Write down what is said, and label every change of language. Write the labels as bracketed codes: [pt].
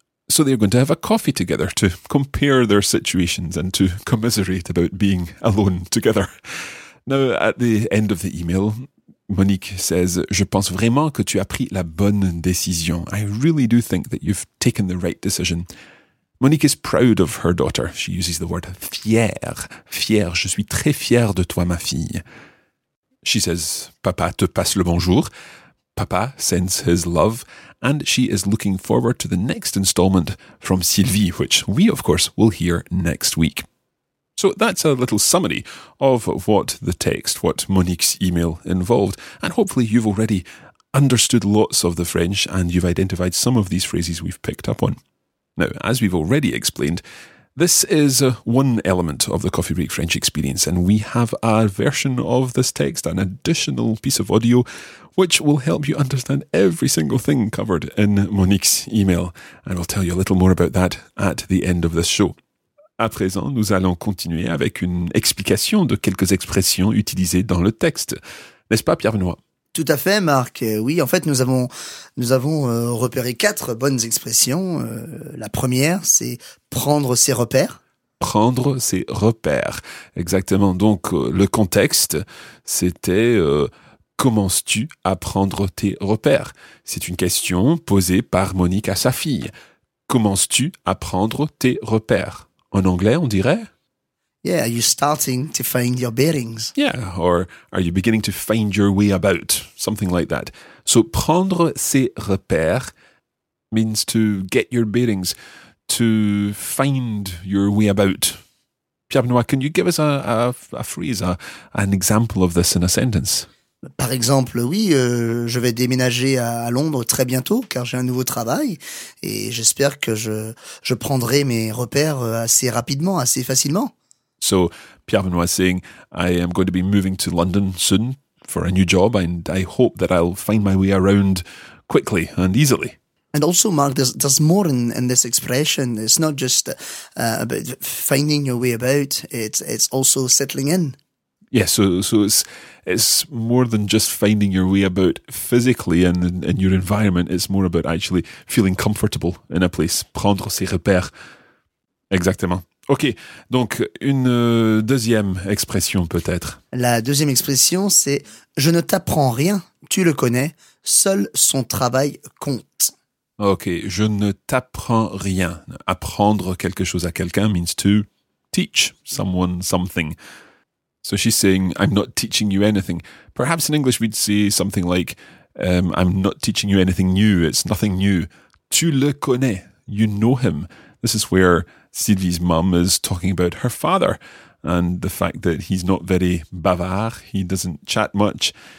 [en] So they're going to have a coffee together to compare their situations and to commiserate about being alone together. Now, at the end of the email, Monique says, [fr] Je pense vraiment que tu as pris la bonne décision. [en] I really do think that you've taken the right decision. Monique is proud of her daughter. She uses the word fière. [fr] Fière, je suis très fière de toi, ma fille. [en] She says, [fr] Papa te passe le bonjour. [en] Papa sends his love. And she is looking forward to the next installment from Sylvie, which we, of course, will hear next week. So that's a little summary of what the text, what Monique's email involved. And hopefully you've already understood lots of the French and you've identified some of these phrases we've picked up on. Now, as we've already explained, this is one element of the Coffee Break French experience, and we have a version of this text, an additional piece of audio, which will help you understand every single thing covered in Monique's email. And I'll tell you a little more about that at the end of this show. [fr] À présent, nous allons continuer avec une explication de quelques expressions utilisées dans le texte. N'est-ce pas, Pierre-Benoît ? Tout à fait, Marc. Oui, en fait, nous avons repéré quatre bonnes expressions. La première, c'est prendre ses repères. Prendre ses repères. Exactement. Donc, le contexte, c'était « Commences-tu à prendre tes repères ?» C'est une question posée par Monique à sa fille. « Commences-tu à prendre tes repères ?» En anglais, on dirait [en] Yeah, are you starting to find your bearings? Yeah, or are you beginning to find your way about? Something like that. So, prendre ses repères means to get your bearings, to find your way about. Pierre-Benoît, can you give us an example of this in a sentence? [fr] Par exemple, oui, je vais déménager à Londres très bientôt car j'ai un nouveau travail et j'espère que je prendrai mes repères assez rapidement, assez facilement. [en] So, Pierre-Benoît is saying, I am going to be moving to London soon for a new job and I hope that I'll find my way around quickly and easily. And also, Mark, there's more in this expression. It's not just about finding your way about, it's also settling in. Yeah, so it's more than just finding your way about physically and in your environment. It's more about actually feeling comfortable in a place. [fr] Prendre ses repères. Exactement. Ok, donc une deuxième expression peut-être. La deuxième expression, c'est « Je ne t'apprends rien, tu le connais, seul son travail compte. » Ok, « Je ne t'apprends rien. » Apprendre quelque chose à quelqu'un [en] means to teach someone something. So she's saying, I'm not teaching you anything. Perhaps in English we'd say something like, I'm not teaching you anything new, it's nothing new. [fr] Tu le connais, [en] you know him. This is where Sylvie's mum is talking about her father and the fact that he's not very bavard, he doesn't chat much.